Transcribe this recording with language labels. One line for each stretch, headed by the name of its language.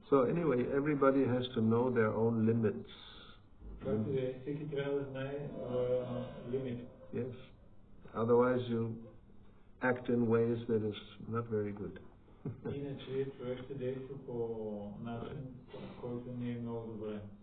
English: So anyway, everybody has to know their own limits.
Bulgarian: Както да е, всеки трябва да знае лимит. Yes.
English: Otherwise you act in ways that is not very good.
Bulgarian: Иначе човек ще действа по начин, който не е много добре.